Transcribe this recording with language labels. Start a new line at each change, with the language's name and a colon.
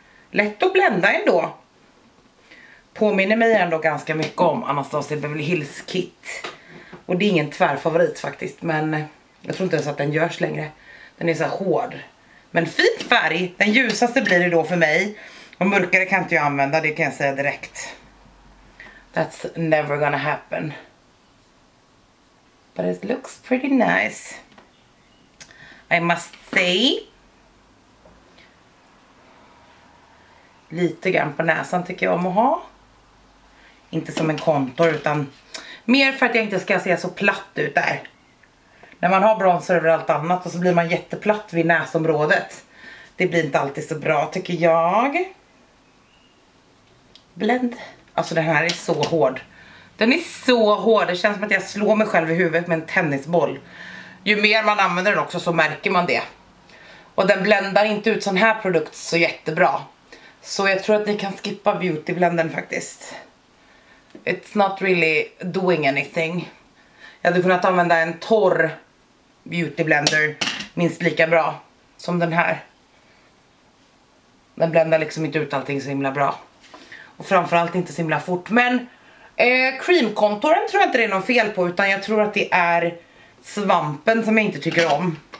Swedish: Lätt att blända ändå. Påminner mig ändå ganska mycket om Anastasia Beverly Hills kit. Och det är ingen tvärfavorit faktiskt, men jag tror inte ens att den görs längre. Den är så hård. Men fin färg, den ljusaste blir det då för mig. Och mörkare kan inte jag använda, det kan jag säga direkt.
English: That's never gonna happen. But it looks pretty nice. I must say.
Swedish: Lite grann på näsan tycker jag om att ha. Inte som en kontor utan mer för att jag inte ska se så platt ut där. När man har bronzer över allt annat och så blir man jätteplatt vid näsområdet. Det blir inte alltid så bra tycker jag. Blend. Alltså den här är så hård. Den är så hård. Det känns som att jag slår mig själv i huvudet med en tennisboll. Ju mer man använder den också så märker man det. Och den bländar inte ut sån här produkt så jättebra. Så jag tror att ni kan skippa beautyblenden faktiskt.
English: It's not really doing anything.
Swedish: Jag hade kunnat använda en torr beautyblender minst lika bra som den här. Den bländar liksom inte ut allting så himla bra. Och framförallt inte så himla fort. Men creamkontoren tror jag inte det är någon fel på, utan jag tror att det är svampen som jag inte tycker om.